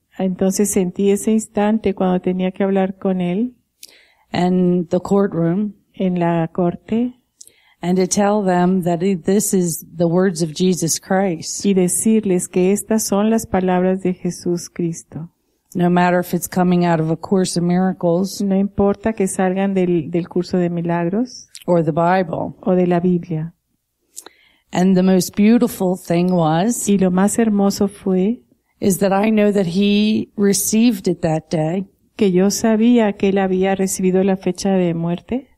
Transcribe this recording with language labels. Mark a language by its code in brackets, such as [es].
[es] Entonces sentí ese instante cuando tenía que hablar con él. [en] And the courtroom. [es] En la corte. [en] And to tell them that this is the words of Jesus Christ. [es] Y decirles que estas son las palabras de Jesús Cristo. [en] No matter if it's coming out of a Course of Miracles. [es] No importa que salgan del curso de milagros. [en] Or the Bible. [es] O de la Biblia. [en] And the most beautiful thing was. [es] Y lo más hermoso fue. [en] Is that I know that he received it that day. [es] Que yo sabía que él había recibido la fecha de muerte.